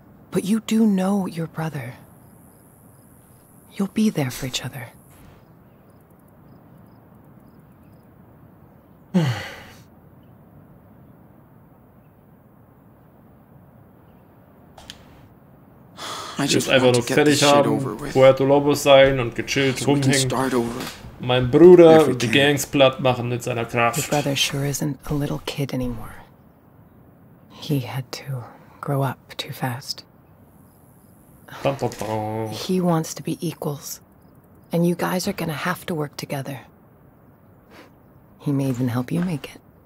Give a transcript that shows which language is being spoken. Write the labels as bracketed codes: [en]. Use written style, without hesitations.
[en] But you do know your brother. You'll be there for each other. I just want to get this shit over with. [de] Puerto Lobos sein und gechillt rumhängen. Mein Bruder und die Gangs platt machen mit seiner Kraft. [en] Your brother sure isn't a little kid anymore. He had to grow up too fast. He wants to be equals. And you guys are gonna have to work together. He may even help you make it.